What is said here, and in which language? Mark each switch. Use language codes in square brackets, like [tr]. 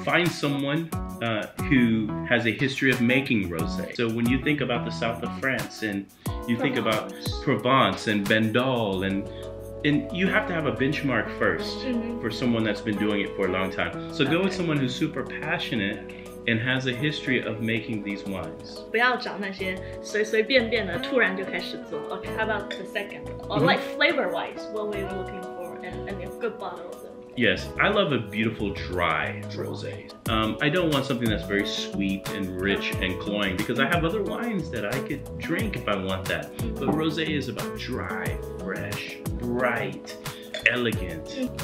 [en] Find someone who has a history of making rosé. So when you think about the south of France and think about Provence and Bendal and you have to have a benchmark first for someone that's been doing it for a long time. So go with someone who's super passionate. And has a history of making these wines. [zh] 不要找那些随随便便的，突然就开始做。 [en] Okay, how about the second? Well, like flavor-wise, what were you looking for? And a good bottle of them. Yes, I love a beautiful dry rosé. I don't want something that's very sweet and rich and cloying because I have other wines that I could drink if I want that. But rosé is about dry, fresh, bright, elegant,